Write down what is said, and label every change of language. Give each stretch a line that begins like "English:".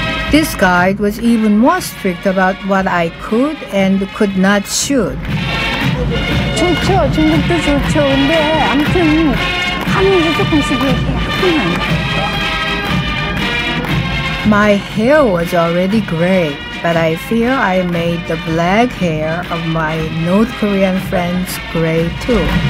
English: This guide was even more strict about what I could and could not shoot.
Korean: 좋죠, 중국도 좋죠. 근데 아무튼 하는 게 조금씩
English: My hair was already gray, but I fear I made the black hair of my North Korean friends gray too.